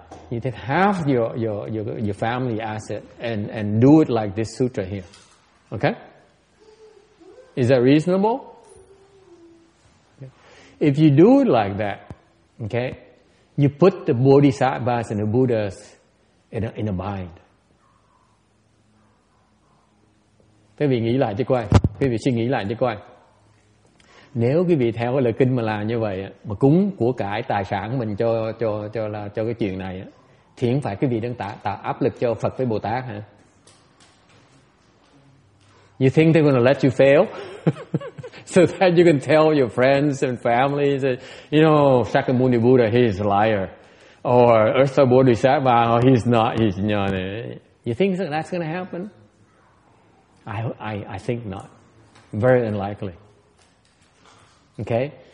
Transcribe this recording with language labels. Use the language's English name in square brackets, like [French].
[English] You take half your family asset and do it like this sutra here. Okay? Is that reasonable? Okay. If you do it like that, okay, you put the bodhisattvas and the buddhas in a bind. [Vietnamese] Quý vị nghĩ lại cho coi, quý vị suy nghĩ lại cho coi. Nếu quý vị theo cái lời kinh mà làm như vậy mà cúng của cải tài sản mình cho cái chuyện này thì không phải quý vị đang tạo áp lực cho Phật với Bồ Tát hả? [English] You think they're going to let you fail? So that you can tell your friends and family that, you know, Shakyamuni Buddha, he's a liar. Or Urso Bodhisattva, he's not, he's none. You think that's going to happen? I think not. Very unlikely. Okay?